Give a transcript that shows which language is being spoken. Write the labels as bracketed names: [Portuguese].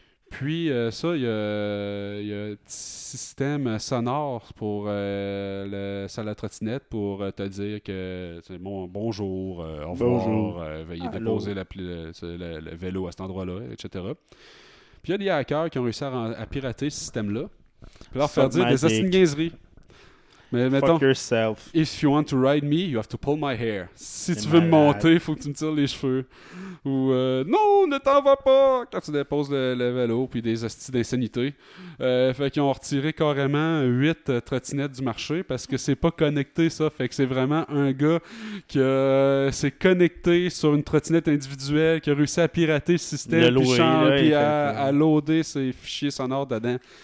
[French] Puis ça, il y a un système sonore pour la trottinette pour te dire que c'est bon, bonjour, au revoir, bonjour. Veuillez déposer le vélo à cet endroit-là, etc. Puis il y a des hackers qui ont réussi à pirater ce système-là. Puis leur faire dire des astines niaiseries. Mais mettons, [English] fuck yourself. If you want to ride me, you have to pull my hair. [French] Si tu veux me monter, il faut que tu me tires les cheveux. Ou non, ne t'en va pas quand tu déposes le vélo puis des hosties d'insanité. Fait qu'ils ont retiré carrément 8 trottinettes du marché parce que c'est pas connecté ça. Fait que c'est vraiment un gars qui s'est connecté sur une trottinette individuelle, qui a réussi à pirater le système à loader ses fichiers sonores dedans.